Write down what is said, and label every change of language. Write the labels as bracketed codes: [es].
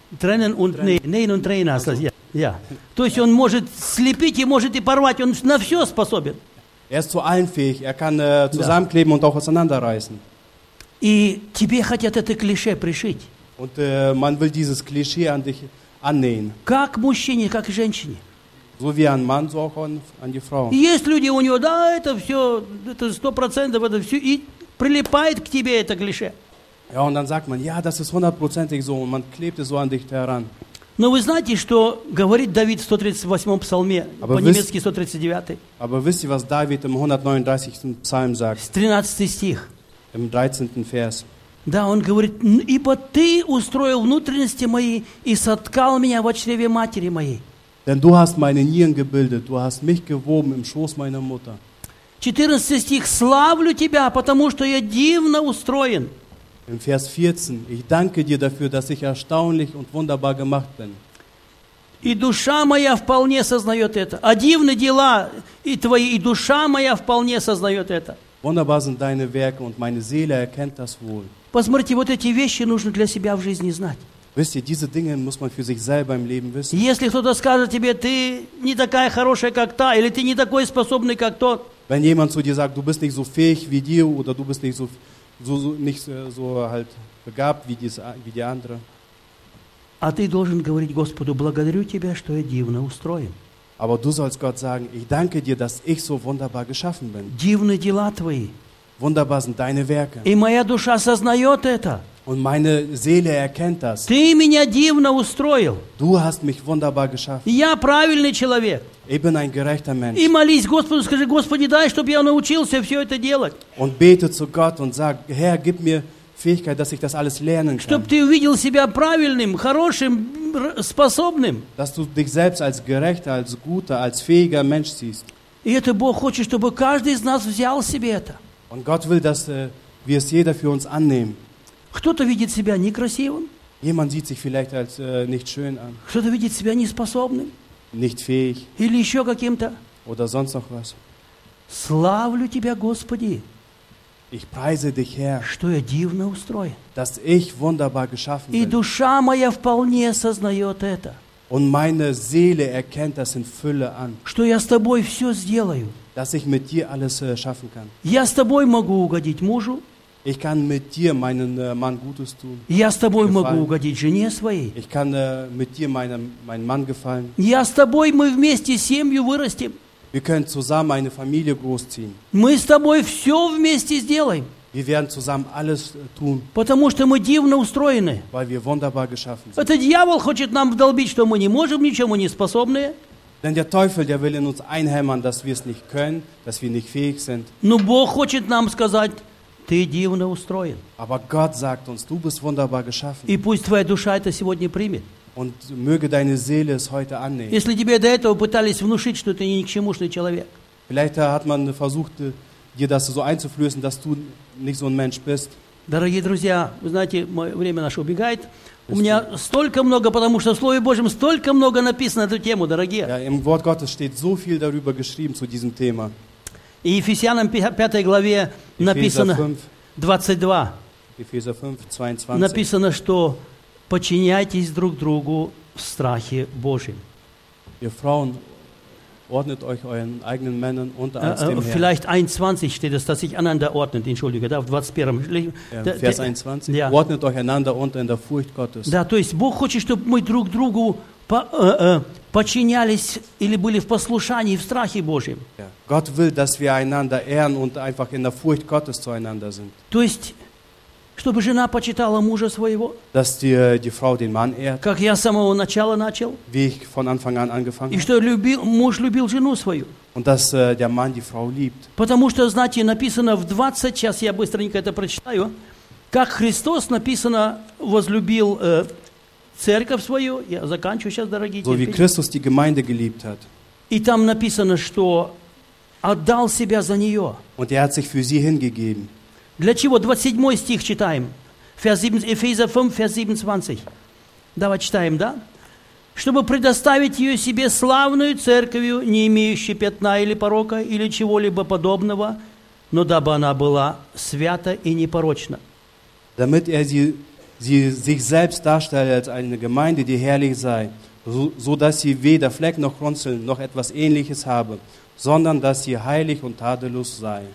[de] Trennen und nähen und trennen, also, ja. Ja. [ru] То есть он может слепить и может и порвать, он на все способен. [de] Er ist zu allen fähig, kann zusammenkleben und auch auseinanderreißen. [ru] И тебе хотят это клише пришить. [de] Und man will dieses Klischee an dich annähen. [ru] Как мужчине, как женщине. [de] So wie ein Mann, so auch an die Frau. [ru] Есть люди, у него, да, это все, это 100%, это все, и прилипает к тебе это клише. [de] Ja, und dann sagt man, ja, das ist hundertprozentig so, und man klebt es so an dich heran. [ru] Но вы знаете, что говорит Давид в 138-м псалме, по-немецки 139-й? [de] Aber wisst ihr, was David im 139. Psalm sagt? [ru] 13 стих. [de] Im 13. Vers. [ru] Да, он говорит, ибо ты устроил внутренности мои и соткал меня в чреве матери моей. [de] Denn du hast meine Nieren gebildet, du hast mich gewoben im Schoß meiner Mutter. [ru] 14 стих, славлю тебя, потому что я дивно устроен. [de] Im Vers 14, ich danke dir dafür, dass ich erstaunlich und wunderbar gemacht bin. [ru] И душа моя вполне сознает это. А дивны дела и твои, и душа моя вполне сознает это. [de] Wunderbar sind deine Werke und meine Seele erkennt das wohl. [ru] Посмотрите, вот эти вещи нужно для себя в жизни знать. [de] Wisst ihr, diese Dinge muss man für sich selber im Leben wissen. [ru] Если кто-то скажет тебе, ты не такая хорошая, как та, или ты не такой способный, как тот. [de] Wenn jemand zu dir sagt, du bist nicht so fähig wie die, oder du bist nicht so nicht so halt begabt wie die andere. [ru] А ты должен говорить Господу, благодарю тебя, что я дивно устроен. [de] Aber du sollst Gott sagen, ich danke dir, dass ich so wunderbar geschaffen bin. [ru] Дивны дела твои. [de] Wunderbar sind deine Werke. [ru] И моя душа сознает это. [de] Und meine Seele erkennt das. [ru] Ты меня дивно устроил. [de] Du hast mich wunderbar geschaffen. [ru] Я правильный человек. [de] Ich bin ein gerechter Mensch. [ru] И молись Господу, скажи, Господи, дай, чтобы я научился все это делать. [de] Und bete zu Gott und sag, Herr, gib mir Fähigkeit, dass ich das alles lernen kann. [ru] Чтоб ты увидел себя правильным, хорошим, способным. [de] Dass du dich selbst als gerechter, als guter, als fähiger Mensch siehst. [ru] И это Бог хочет, чтобы каждый из нас взял себе это. [de] Und Gott will, dass wir es jeder für uns annehmen. [ru] Кто-то видит себя некрасивым. [de] Jemand sieht sich vielleicht als nicht schön an. [ru] Кто-то видит себя неспособным. [de] Nicht fähig. [ru] Или еще каким-то. [de] Oder sonst noch was. [ru] Славлю тебя, Господи. [de] Ich preise dich, Herr. [ru] Что я дивно устроен. [de] Dass ich wunderbar geschaffen bin. [ru] И душа моя вполне сознает это. [de] Und meine Seele erkennt das in Fülle an. [ru] Что я с тобой все сделаю. [de] Dass ich mit dir alles schaffen kann. [ru] Я с тобой могу угодить мужу. [de] Ich kann mit dir meinen Mann Gutes tun. [ru] Я с тобой могу угодить жене своей. [de] Ich kann mit dir meinem Mann gefallen. [ru] Я с тобой мы вместе семью вырастим. [de] Wir können zusammen eine Familie großziehen. [ru] Мы с тобой все вместе сделаем. [de] Wir werden zusammen alles tun. [ru] Потому что мы дивно устроены. [de] Weil wir wunderbar geschaffen sind. [ru] Это дьявол хочет нам вдолбить, что мы не можем ничего, не способны. [de] Denn der Teufel, der will in uns einhämmern, dass wir es nicht können, dass wir nicht fähig sind. [ru] Но Бог хочет нам сказать. Ты дивно устроен. [de] Aber Gott sagt uns, du bist wunderbar geschaffen. [ru] И пусть твоя душа это сегодня примет. [de] Und möge deine Seele es heute annehmen. [ru] Если тебе до этого пытались внушить, что ты ни к чему шный человек. [de] Vielleicht hat man versucht, dir das so einzuflößen, dass du nicht so ein Mensch bist. [ru] Дорогие друзья, вы знаете, время наше убегает. У меня столько много, потому что в Слове Божьем столько много написано на эту тему, дорогие. [de] Ja, im Wort Gottes steht so viel darüber geschrieben zu diesem Thema. [ru] И Ефесянам 5 главе написано 22. Ефесянам 5, 22. Написано, что подчиняйтесь друг другу в страхе Божьем. [de] Ihr Frauen, ordnet euch euren eigenen Männern unter als dem Herrn. Vielleicht 21 steht es, dass sich einander ordnet. Entschuldige, da auf 21. Vers 21. Ja. Ordnet euch einander unter in der Furcht Gottes. [ru] Да, то есть Бог хочет, чтобы мы друг другу подчинялись или были в послушании, в страхе Божьем. [de] Gott will, dass wir einander ehren und einfach in der Furcht Gottes zueinander sind. [ru] То есть, чтобы жена почитала мужа своего. [de] Dass die Frau den Mann ehrt. [ru] Как я с самого начала начал. [de] Wie ich von Anfang an angefangen habe. [ru] И что муж любил жену свою. [de] Und dass der Mann die Frau liebt. [ru] Потому что, знаете, написано в 20, сейчас я быстренько это прочитаю, как Христос, написано, возлюбил церковь свою, я заканчиваю сейчас, дорогие дети. [de] So wie Christus die Gemeinde geliebt hat. [ru] И там написано, что отдал себя за нее. [de] Und hat sich für sie hingegeben. [ru] Для чего? 27 стих читаем. Эфезия 5, Vers 27. Давай читаем, да? Чтобы предоставить ее себе славную церковью, не имеющей пятна или порока, или чего-либо подобного, но дабы она была свята и непорочна. [de] Damit sie sich selbst darstelle als eine Gemeinde, die herrlich sei, so dass sie weder Fleck noch Runzeln noch etwas Ähnliches habe, sondern dass sie heilig und tadellos sei.